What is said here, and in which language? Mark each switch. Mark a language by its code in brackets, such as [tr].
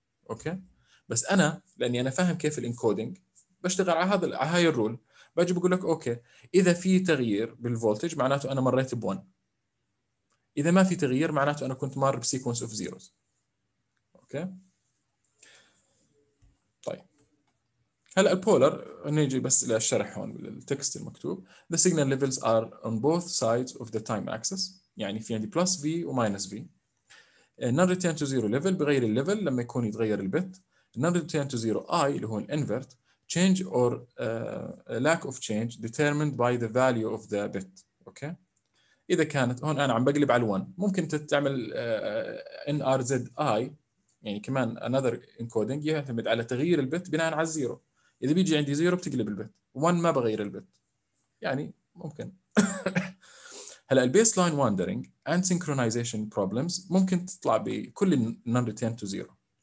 [ar] اوكي، بس انا لاني انا فاهم كيف الانكودينج بشتغل على هذا، على هاي الرول، باجي بقول لك اوكي اذا في تغيير بالفولتج معناته انا مريت ب1، اذا ما في تغيير معناته انا كنت مار بسيكونس اوف زيروز. اوكي طيب، هلا البولر نيجي بس الى الشرح هون بالتكست المكتوب. [en] The signal levels are on both sides of the time axis. [ar] يعني في عندي plus V و minus V. Non-return to zero level بغير الليفل لما يكون يتغير البت. Non-return to zero I اللي هو الانفرت. [en] Change or lack of change determined by the value of the bit. [ar] Okay. إذا كانت هون أنا عم بقلب على الـ 1 ممكن تتعمل NRZI يعني كمان [en] another encoding [ar] يعتمد على تغيير البت بناء على 0. إذا بيجي عندي 0 بتقلب البت. 1 ما بغير البت. يعني ممكن. هلا الـ baseline wandering and synchronization problems ممكن تطلع بكل non-return to 0.